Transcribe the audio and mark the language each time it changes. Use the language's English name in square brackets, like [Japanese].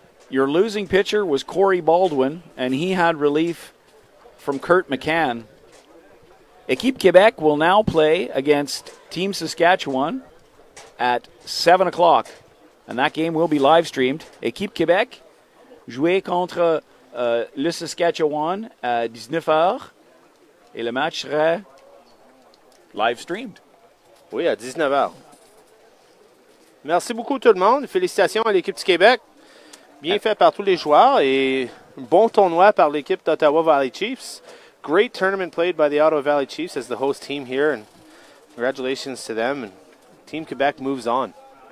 [English] Your losing pitcher was Corey Baldwin, and he had relief from Kurt McCann. Équipe Québec will now play against Team Saskatchewan at 7 o'clock, and that game will be live-streamed. [French] Équipe Québec jouer contre le Saskatchewan à 19h, et le match serait [English] live streamed. [French] Oui, à 19h. Merci beaucoup tout le monde. Félicitations à l'équipe du Québec. Bien fait par tous les joueurs et bon tournoi par l'équipe d'Ottawa Valley Chiefs. [English] Great tournament played by the Ottawa Valley Chiefs as the host team here, and congratulations to them. And Team Quebec moves on.